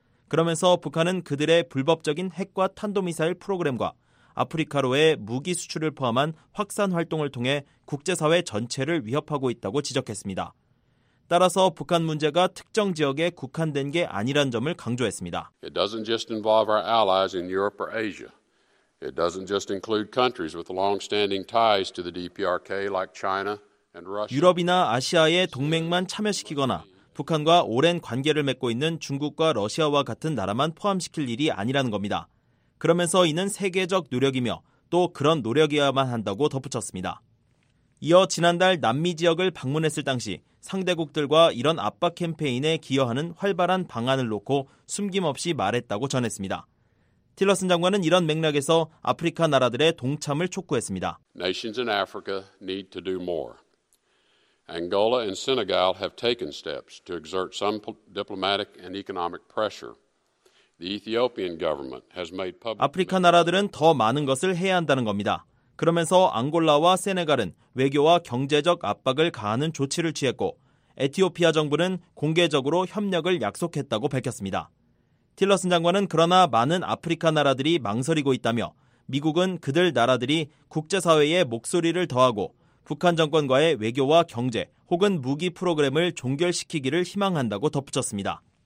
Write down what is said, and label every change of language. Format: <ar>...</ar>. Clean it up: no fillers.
<ko>그러면서 북한은 그들의 불법적인 핵과 탄도미사일 프로그램과 아프리카로의 무기 수출을 포함한 확산 활동을 통해 국제사회 전체를 위협하고 있다고 지적했습니다. 따라서 북한 문제가 특정 지역에 국한된 게 아니란 점을 강조했습니다.</ko> <en>It doesn't just involve our allies in Europe or Asia. It doesn't just include countries with long-standing ties to the DPRK like China and Russia.</en> <ko>유럽이나 아시아의 동맹만 참여시키거나 북한과 오랜 관계를 맺고 있는 중국과 러시아와 같은 나라만 포함시킬 일이 아니라는 겁니다. 그러면서 이는 세계적 노력이며 또 그런 노력이어야만 한다고 덧붙였습니다. 이어 지난달 남미 지역을 방문했을 당시 상대국들과 이런 압박 캠페인에 기여하는 활발한 방안을 놓고 숨김없이 말했다고 전했습니다. 틸러슨 장관은 이런 맥락에서 아프리카 나라들의 동참을 촉구했습니다.</ko> <en>Nations in Africa need to do more. Angola and Senegal have taken steps to exert some diplomatic and economic pressure. The Ethiopian government has made public.</en> <ko>아프리카 나라들은 더 많은 것을 해야 한다는 겁니다. 그러면서 앙골라와 세네갈은 외교와 경제적 압박을 가하는 조치를 취했고 에티오피아 정부는 공개적으로 협력을 약속했다고 밝혔습니다. 틸러슨 장관은 그러나 많은 아프리카 나라들이 망설이고 있다며 미국은 그들 나라들이 국제사회의 목소리를 더하고 북한 정권과의 외교와 경제 혹은 무기 프로그램을 종결시키기를 희망한다고 덧붙였습니다.</ko>